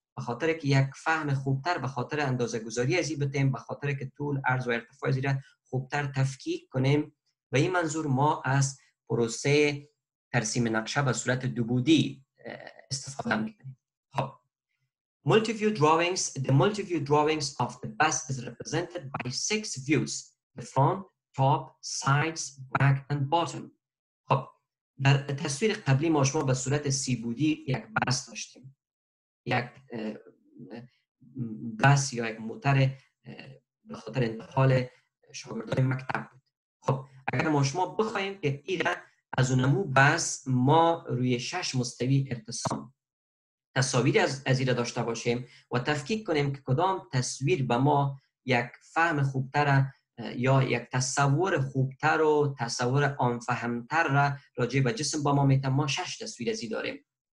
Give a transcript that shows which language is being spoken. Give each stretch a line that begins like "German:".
Persian: بخاطر که یک فهم خوبتر بخاطر اندازه گذاری ازی بتیم، بخاطر که طول عرض و ارتفاع زیره خوبتر تفکیک کنیم و این منظور ما از پروسه ترسیم نقشه به صورت دوبودی استفاده میکنیم.
English: خب. Multi-view drawings. The multi-view drawings of the bus is represented by 6 views. The front, top, sides, back and bottom. خب.
Persian: در تصویر قبلی ما شما به صورت سیبودی یک بس داشتیم. یک بس یا یک موتر به خاطر انتقال شاگردان مکتب بود. خب. اگر ما شما بخواییم که ایره از اونمو بس ما روی 6 مستوی ارتسام تصاویر از ایره داشته باشیم و تفکیک کنیم که کدام تصویر به ما یک فهم خوبتر یا یک تصور خوبتر و تصور آنفهمتر را راجع به جسم با ما میتن، ما 6 تصویر از ایره داریم.